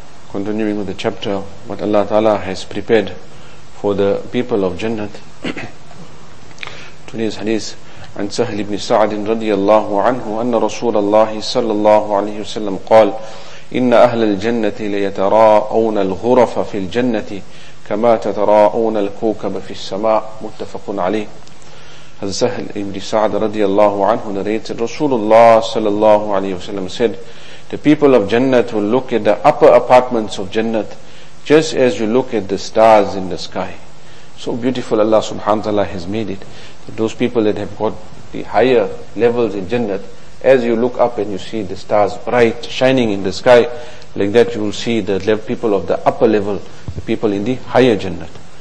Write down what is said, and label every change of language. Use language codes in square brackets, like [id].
[en] Continuing with the chapter, what Allah Ta'ala has prepared for the people of Jannat. [ar] Today's hadith, عن سهل بن سعد رضي الله عنه أن رسول الله صلى الله عليه وسلم قال إن أهل الجنة ليتراءون الغرف في الجنة كما تتراءون الكوكب في السماء. متفق عليه. هذا سهل بن سعد رضي الله عنه [en] narrated, رسول الله صلى الله عليه وسلم said, the people of Jannat will look at the upper apartments of Jannat just as you look at the stars in the sky. So beautiful Allah subhanahu wa ta'ala has made it. Those people that have got the higher levels in Jannat, as you look up and you see the stars bright, shining in the sky, like that you will see the people of the upper level, the people in the higher Jannat.